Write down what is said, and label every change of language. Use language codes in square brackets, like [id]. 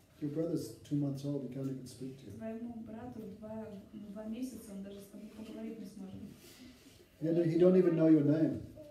[en] Your brother's 2 months old, he can't even speak to you. [ru] Твоему брату два месяца, он даже с тобой поговорить не сможет. [en] Yeah, no, he don't even know your name.